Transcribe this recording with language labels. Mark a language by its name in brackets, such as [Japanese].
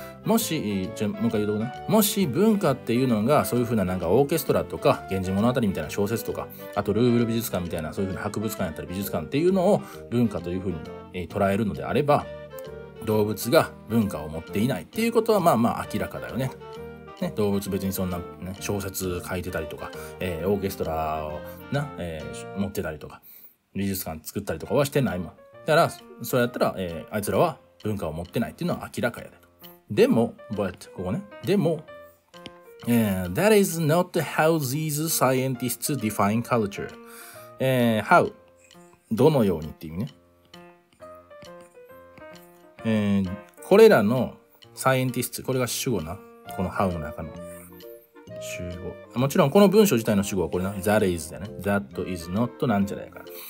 [Japanese] もし、じゃもう一回言うとこな。もし文化っていうのがそういうふうななんかオーケストラとか、源氏物語みたいな小説とか、あとルーブル美術館みたいなそういうふうな博物館やったり美術館っていうのを文化というふうに捉えるのであれば、動物が文化を持っていないっていうことはまあまあ明らかだよね。ね、動物別にそんな、ね、小説書いてたりとか、オーケストラをな、持ってたりとか、美術館作ったりとかはしてないもん。だから、そうやったら、あいつらは文化を持ってないっていうのは明らかやで。でも、but、ここね。 [English] でも、that is not how these scientists define culture. How? [Japanese] どのようにっていう意味ね。これらの scientists、これが主語な。この how の中の。主語。もちろん、この文章自体の主語はこれな。 [English] that is [Japanese] だね。 [English] that is not [Japanese] なんじゃないか。